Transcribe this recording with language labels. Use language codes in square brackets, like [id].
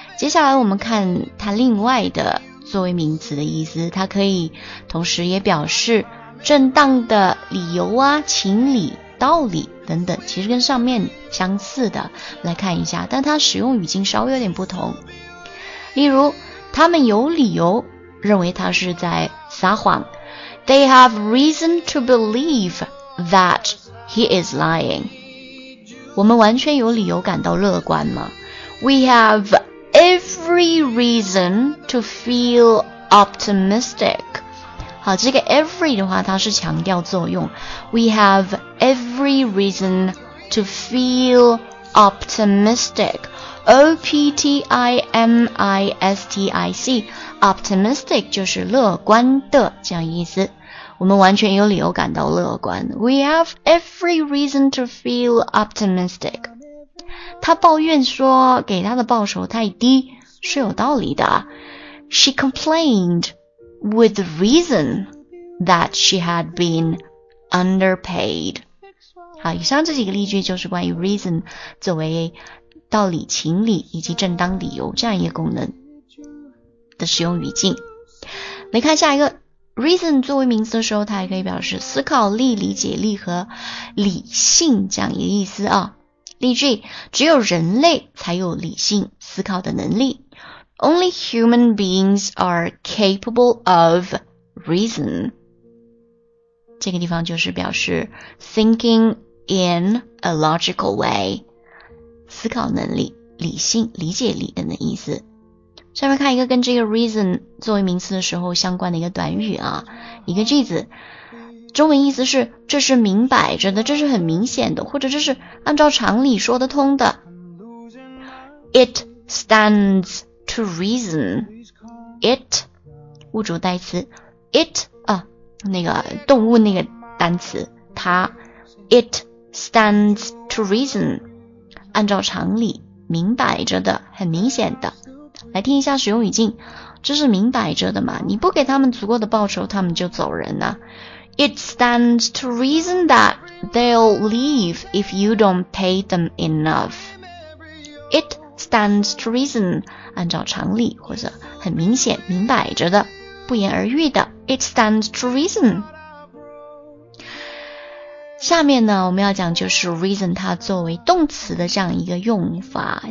[zh] 接下来我们看它另外的作为名词的意思，它可以同时也表示正当的理由啊、情理、道理等等，其实跟上面相似的，来看一下，但它使用语境稍微有点不同。例如，他们有理由认为他是在撒谎。 [en] They have reason to believe that he is lying. [zh] 我们完全有理由感到乐观吗？ [en] We have every reason to feel optimistic. [zh] 好，这个 every 的话它是强调作用。 [en] We have every reason to feel optimistic. [zh] O-P-T-I-M-I-S-T-I-C Optimistic 就是乐观的这样意思，我们完全有理由感到乐观。 [en] We have every reason to feel optimistic. [zh] 他抱怨说给他的报酬太低是有道理的。 [en] She complained with reason that she had been underpaid. [zh] 好，以上这几个例句就是关于 reason 作为道理、情理以及正当理由这样一个功能的使用语境。来看下一个 reason 作为名词的时候，它还可以表示思考力、理解力和理性这样一个意思啊。例句：只有人类才有理性思考的能力。 [en] Only human beings are capable of reason. [zh] 这个地方就是表示 [en] thinking in a logical way. [zh] 思考能力、理性、理解力等的意思。下面看一个跟这个 reason 作为名词的时候相关的一个短语啊，一个句子，中文意思是这是明摆着的，这是很明显的，或者这是按照常理说得通的。 [en] It stands to reason. It [zh] 物主代词 [en] It [zh] 啊，那个动物那个单词，它 [en] It stands to reason. [zh] 按照常理，明摆着的，很明显的。来听一下使用语境，这是明摆着的嘛，你不给他们足够的报酬，他们就走人呢。 [en] It stands to reason that they'll leave if you don't pay them enough. It stands to reason, [zh] 按照常理，或者很明显，明摆着的，不言而喻的。 [en] It stands to reason. [zh] 下面呢我们要讲就是 reason 它作为动词的这样一个用法。